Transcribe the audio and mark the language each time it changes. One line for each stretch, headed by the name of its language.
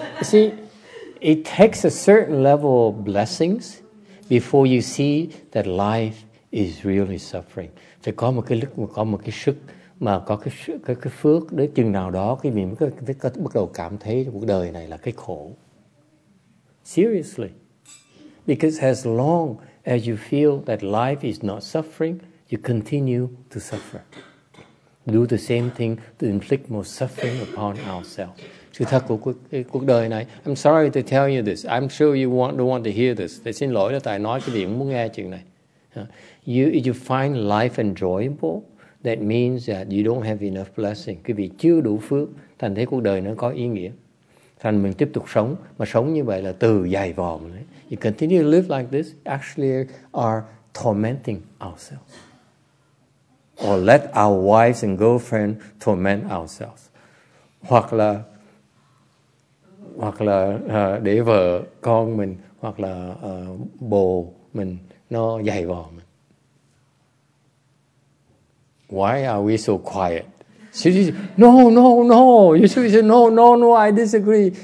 English: You see, it takes a certain level of blessings before you see that life is really suffering.
Vietnamese: Phải có một cái lực, có một cái sức, mà có cái sức, cái phước, đến chừng nào đó cái mình mới bắt đầu cảm thấy cuộc đời này là cái khổ.
English: Seriously. Because as long as you feel that life is not suffering, you continue to suffer. Do the same thing to inflict more suffering upon ourselves.
Vietnamese: Sự thật của cuộc đời này.
English: I'm sorry to tell you this. I'm sure you don't want to hear this.
Vietnamese: Thầy xin lỗi là tại nói cái gì cũng muốn nghe chuyện này.
English: If you find life enjoyable, that means that you don't have enough blessing.
Vietnamese: Quý vị chưa đủ phước, thành thế cuộc đời nó có ý nghĩa. Thành mình tiếp tục sống, mà sống như vậy là từ dày vò.
English: You continue to live like this, actually are tormenting ourselves. Or let our wives and girlfriend torment ourselves.
Vietnamese: Hoặc là để vợ con mình, hoặc là bồ mình, nó dày vò mình.
English: Why are we so quiet? No, you should say no, I disagree.